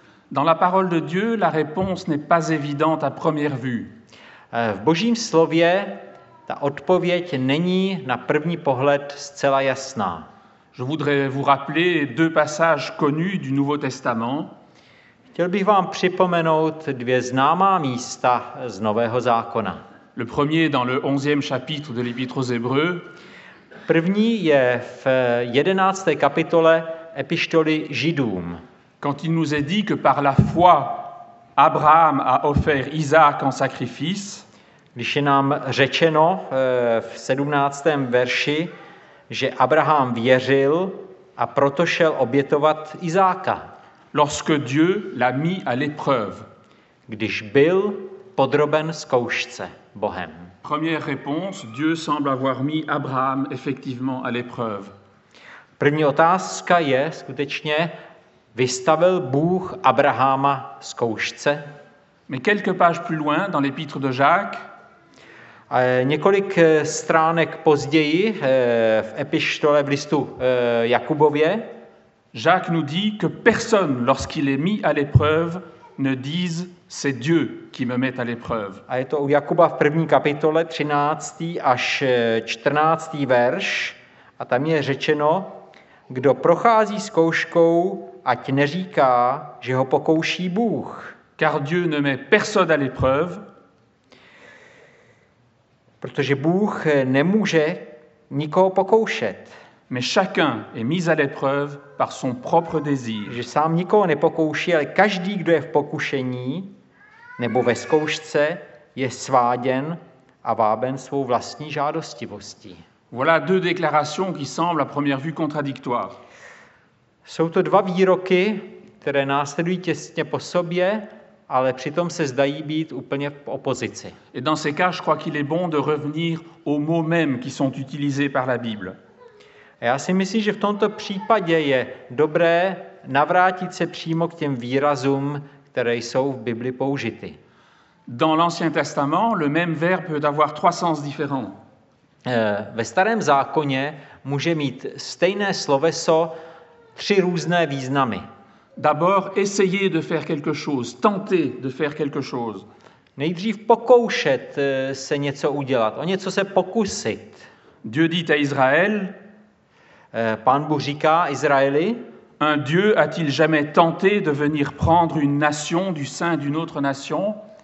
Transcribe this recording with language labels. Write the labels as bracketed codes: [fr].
[fr] Dans la parole de Dieu, la réponse n'est pas évidente à première vue. [cs] V Božím slově ta odpověď není na první pohled zcela jasná. [fr] Je voudrais vous rappeler deux passages connus du Nouveau Testament. [cs] Chtěl bych vám připomenout dvě známá místa z Nového zákona. [fr] Le premier dans le 11e chapitre de l'Épître aux Hébreux. [cs] První je v 11. kapitole Epištoly Židům. [fr] Quand il nous est dit que par la foi Abraham a offert Isaac en sacrifice, [cs] když je nám řečeno v 17. verši, že Abraham věřil a proto šel obětovat Izáka. [fr] Lorsque Dieu l'a mis à l'épreuve, [cs] když byl podroben zkoušce Bohem. [fr] Première réponse, Dieu semble avoir mis Abraham effectivement à l'épreuve. [cs] První otázka je skutečně, vystavil Bůh Abrahama zkoušce? [fr] Mais quelques pages plus loin dans l'épître de Jacques, [cs] několik stránek později v epištole v listu Jakubově, [fr] Jacques nous dit que personne lorsqu'il est mis à l'épreuve ne dise c'est Dieu qui me met à l'épreuve. [cs] A je to u Jakuba v první kapitole 13. až 14. verš a tam je řečeno, kdo prochází zkouškou, ať neříká, že ho pokouší Bůh. [fr] Car Dieu ne met personne à l'épreuve. [cs] Protože Bůh nemůže nikoho pokoušet. [fr] Mais chacun est mis à l'épreuve par son propre désir. [cs] Že sám nikoho nepokouší, ale každý, kdo je v pokušení nebo ve zkoušce, je sváděn a váben svou vlastní žádostivostí. [fr] Voilà deux déclarations qui semblent à première vue contradictoires. [cs] Jsou to dva výroky, které následují těsně po sobě, ale přitom se zdají být úplně v opozici. [fr] Et dans ces cas, je crois qu'il est bon de revenir aux mots même qui sont utilisés par la Bible. [cs] A já si myslím, že v tomto případě je dobré navrátit se přímo k těm výrazům, které jsou v Bibli použity. [fr] Dans l'Ancien Testament, le même verbe peut avoir trois sens différents. [cs] Ve Starém zákoně může mít stejné sloveso 3 různé významy. [fr] D'abord essayer de faire quelque chose, tenter de faire quelque chose. [cs] Nejdřív pokoušet se něco udělat, o něco se pokusit. [fr] Dieu dit à Israël, [cs] Pán Bůh říká Izraeli, [fr] un Dieu a-t-il jamais tenté de venir prendre une nation du sein d'une autre nation?